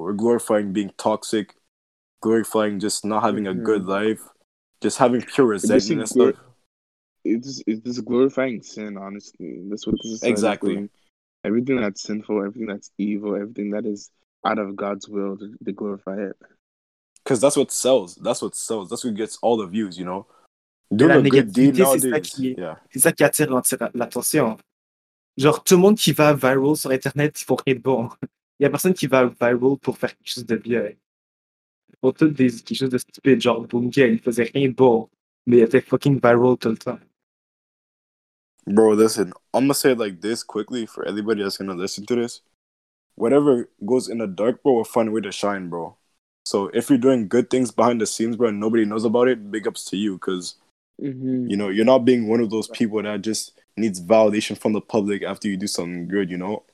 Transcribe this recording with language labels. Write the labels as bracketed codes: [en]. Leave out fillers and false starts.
[en] We're glorifying being toxic, glorifying just not having a good life, just having pure resentment and stuff. It's glorifying sin, honestly. That's what this is. Exactly. Everything that's sinful, everything that's evil, everything that is out of God's will, to glorify it. Because that's what sells. That's what sells. That's what gets all the views, you know? Doing a good deed nowadays. [fr] C'est ça qui attire l'attention. Genre, tout le monde qui va viral sur Internet, ils font rien de bon. Il n'y a personne qui va viral pour faire quelque chose de bien. pour toutes des quelque chose de stupide, genre Boomkick, il faisait rien de beau, mais il était fucking viral tout le temps. [en] Bro, listen, I'm gonna say it like this quickly for anybody that's gonna listen to this. Whatever goes in the dark, bro, will find a way to shine, bro. So if you're doing good things behind the scenes, bro, and nobody knows about it, big ups to you, because, you know, you're not being one of those people that just needs validation from the public after you do something good, you know?